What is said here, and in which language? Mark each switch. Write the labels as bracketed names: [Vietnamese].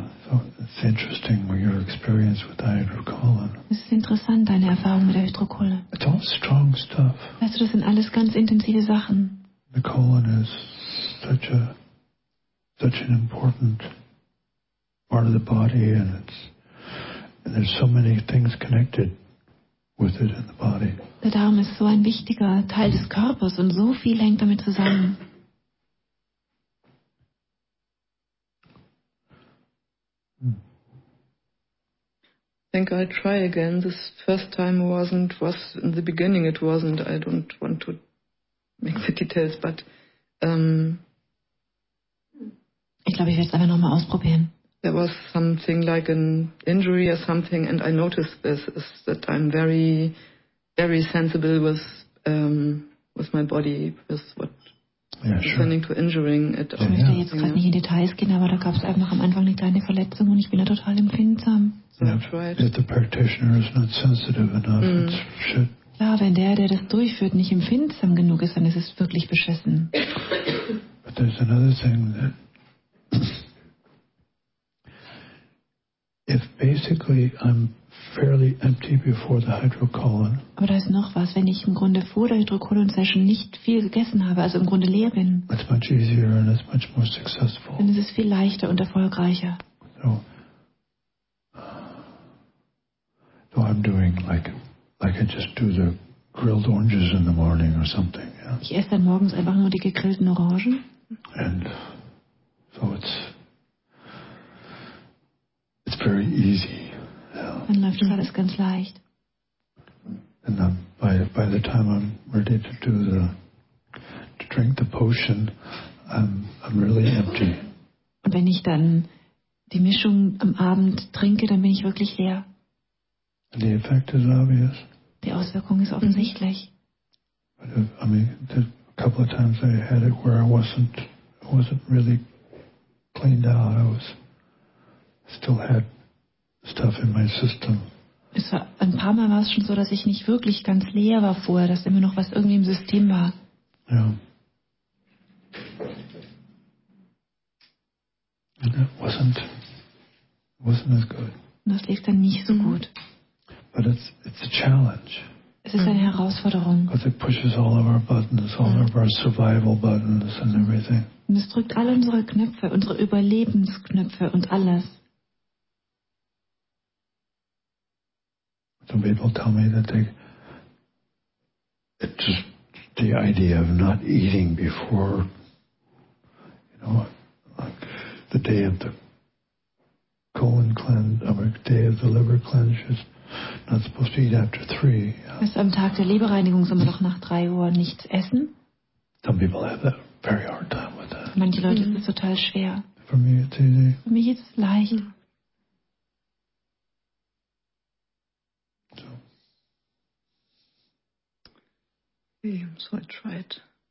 [English] So it's interesting with your experience with the hydrocolon. [German] Es ist interessant, deine Erfahrung mit der Hydrocolon. [English] It's all strong stuff. [German] Weißt du, das sind alles ganz intensive Sachen. [English] The colon is such an important part of the body, and there's so many things connected with it in the body. [German] Der Darm ist so ein wichtiger Teil des Körpers und so viel hängt damit zusammen. [English] I think I'll try again. This first time was in the beginning, it wasn't. I don't want to make the details, but [German] ich glaube, ich werde es einfach nochmal ausprobieren. [English] There was something like an injury or something, and I noticed this is that I'm very, very sensible with my body, with what turning to injuring it. [German] Ich möchte jetzt gerade nicht in Details gehen, aber da gab es einfach am Anfang eine kleine Verletzung und ich bin da total empfindsam. [English] If the practitioner is not sensitive enough, it's shit. [German] Ja, wenn der das durchführt, nicht empfindsam genug ist, dann ist es wirklich beschissen. [English] But there's another thing that if basically I'm fairly empty before the hydrocolon. [German] Aber da ist noch was, wenn ich im Grunde vor der Hydrocolon-Session nicht viel gegessen habe, also im Grunde leer bin. [English] It's much easier and it's much more successful. [German] Dann ist es viel leichter und erfolgreicher. [English] So I'm doing like I just do the grilled oranges in the morning or something. Yeah. [German] Ich esse dann morgens einfach nur die gegrillten Orangen. [English] And so it's very easy. Yeah. [German] Dann läuft alles ganz leicht. [English] And then by the time I'm ready to do to drink the potion, I'm really empty. [German] Und wenn ich dann die Mischung am Abend trinke, dann bin ich wirklich leer. [English] And the effect is obvious. [German] Die Auswirkung ist offensichtlich. [English] But a couple of times I had it where I wasn't really cleaned out. I was still had stuff in my system. [German] Es war ein paar Mal war es schon so, dass ich nicht wirklich ganz leer war vorher, dass immer noch was irgendwie im System war. Ja. [English] And it wasn't as good. [German] Das lief dann nicht so gut. [English] But it's a challenge. [German] Es ist eine Herausforderung. [English] Because it pushes all of our buttons, all of our survival buttons and everything. [German] Und es drückt all unsere Knöpfe, unsere Überlebensknöpfe und alles. [English] Some people tell me that the idea of not eating before, you know, like the day of the colon cleanse, or the day of the liver cleanse, is not supposed to eat after 3. Yeah. [German] Ist am Tag der Leberreinigung soll man doch nach 3 Uhr nichts essen? [English] Some people have a very hard time with that. [German] Manche Leute ist es total schwer. [English] For me it's easy. [German] Für mich ist es leicht. [English] So I tried.